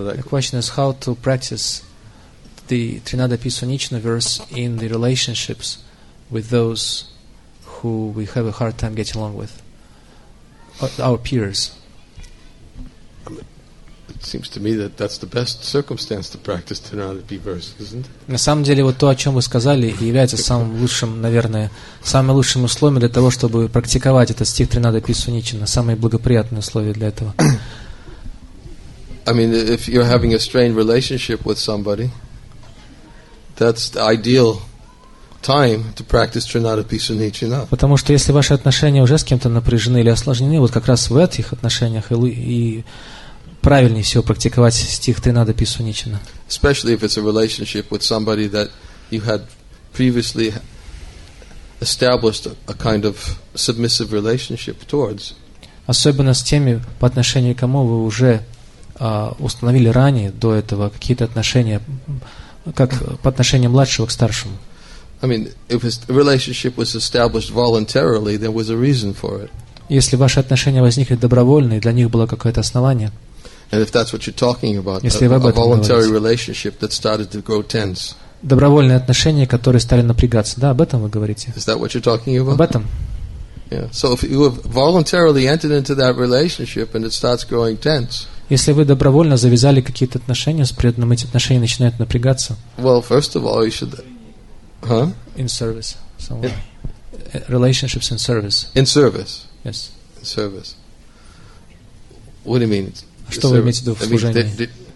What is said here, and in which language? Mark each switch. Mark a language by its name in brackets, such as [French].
[English] The question is how to practice the Trinada Pisunichana verse in the relationships with those who we have a hard time getting along with, our peers. I mean, it seems to me that that's the best circumstance to practice Trinada P verse, isn't it? [Russian] На самом деле, вот то, о чем вы сказали, является самым лучшим, наверное, самым лучшим условием для того, чтобы практиковать этот стих Тринада Писуничина, самые благоприятные условия для этого. [English] I mean, if you're having a strained relationship with somebody, that's the ideal time to practice Trinada Pisunichana. [Russian] Потому что если ваши отношения уже с кем-то напряжены или осложнены, вот как раз в этих отношениях и правильнее всего практиковать стих Тринада Писуничана. [English] Especially if it's a relationship with somebody that you had previously established a kind of submissive relationship towards. [Russian] Особенно с теми, по отношению к кому вы уже установили ранее, до этого, какие-то отношения, как по отношению младшего к старшему. [English] I mean, if a relationship was established voluntarily, there was a reason for it. [Russian] Если ваши отношения возникли добровольно, и для них было какое-то основание, [English] and if that's what you're talking about, a voluntary relationship that started to grow tense. [Russian] Добровольные отношения, которые стали напрягаться. Да, об этом вы говорите. [English] Is that what you're talking about? [Russian] Об этом. [English] Yeah. So if you have voluntarily entered into that relationship and it starts growing tense. [Russian] Если вы добровольно завязали какие-то отношения с преданным, эти отношения начинают напрягаться. [English] Well, first of all, you should... In service. Somewhere. Relationships in service. In service. Yes. In service. What do you mean? [Russian] Что вы имеете в виду в служении?